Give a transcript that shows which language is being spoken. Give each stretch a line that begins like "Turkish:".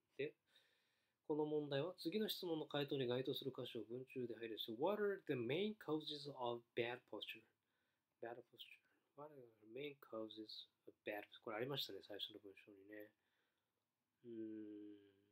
Japanese: で、この問題は次の質問の回答に該当する箇所を文中で入れる。
English: What are the main causes of bad posture? Bad posture. What are the main causes of bad posture?
Japanese: これありましたね、最初の文章にね。